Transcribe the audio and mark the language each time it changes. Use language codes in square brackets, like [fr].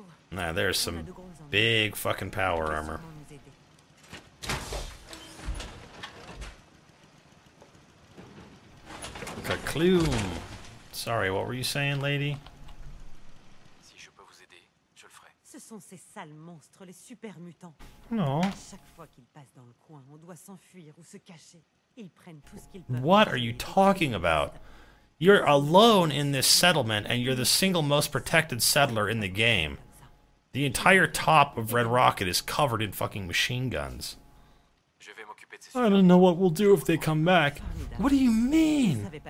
[en] Nah, there's some big fucking power armor. Kakloom! Sorry, what were you saying, lady? [fr] Si je peux vous aider, je le ferai. Ce sont ces sales monstres, les super mutants. Non. Chaque fois qu'ils passent dans le coin, on doit s'enfuir ou se cacher. Ils prennent tout ce qu'ils peuvent. [en] What are you talking about? You're alone in this settlement, and you're the single most protected settler in the game. The entire top of Red Rocket is covered in fucking machine guns. I don't know what we'll do if they come back. What do you mean?